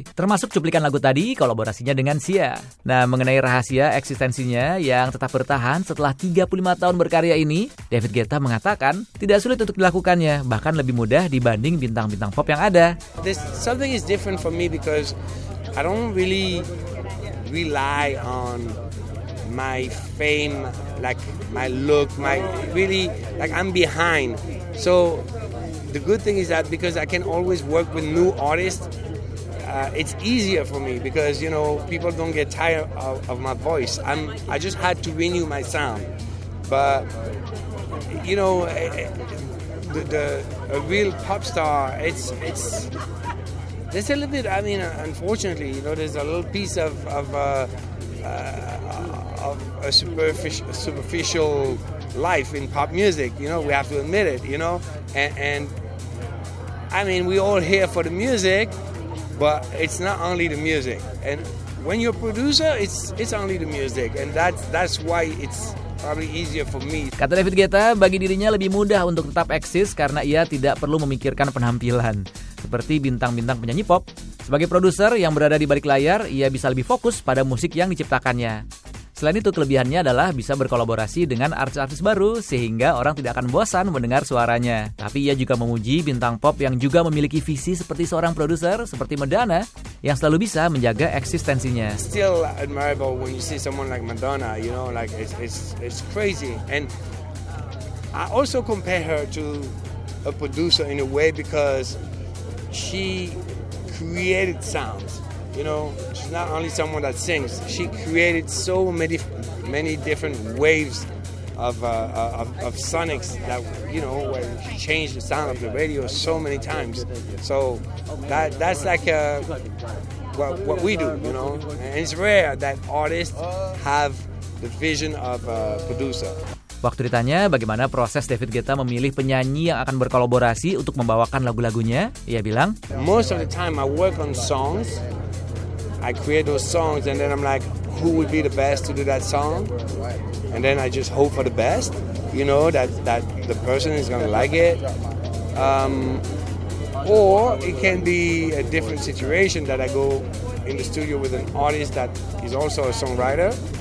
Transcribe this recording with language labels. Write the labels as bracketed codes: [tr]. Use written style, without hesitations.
[id] Termasuk cuplikan lagu tadi, kolaborasinya dengan Sia. Nah, mengenai rahasia eksistensinya yang tetap bertahan setelah 35 tahun berkarya ini, David Guetta mengatakan, tidak sulit untuk dilakukannya, bahkan lebih mudah dibanding bintang-bintang pop yang ada. [en] There's something is different for me because I don't really rely on my fame, like my look, my really, like I'm behind. So the good thing is that because I can always work with new artists, it's easier for me because, you know, people don't get tired of my voice. I just had to renew my sound. But, you know, a real pop star, it's a little bit, I mean, unfortunately, you know, there's a little piece of a superficial life in pop music, you know, we have to admit it, you know, and I mean, we all here for the music, but it's not only the music. And when you're a producer, it's only the music. And that's why it's probably easier for me. [id] Kata David Guetta, bagi dirinya lebih mudah untuk tetap eksis karena ia tidak perlu memikirkan penampilan seperti bintang-bintang penyanyi pop. Sebagai produser yang berada di balik layar, ia bisa lebih fokus pada musik yang diciptakannya. Selain itu, kelebihannya adalah bisa berkolaborasi dengan artis-artis baru sehingga orang tidak akan bosan mendengar suaranya. Tapi ia juga memuji bintang pop yang juga memiliki visi seperti seorang produser seperti Madonna yang selalu bisa menjaga eksistensinya. [en] Still admirable when you see someone like Madonna, you know, like it's crazy. And I also compare her to a producer in a way because she created sounds. You know, she's not only someone that sings. She created so many different waves of sonics that, you know, where she changed the sound of the radio so many times. So that's like what we do, you know. And it's rare that artists have the vision of a producer. [id] Waktu ditanya bagaimana proses David Guetta memilih penyanyi yang akan berkolaborasi untuk membawakan lagu-lagunya, ia bilang, [en] most of the time I work on songs. I create those songs and then I'm like, who would be the best to do that song? And then I just hope for the best, you know, that the person is gonna like it. Or it can be a different situation that I go in the studio with an artist that is also a songwriter.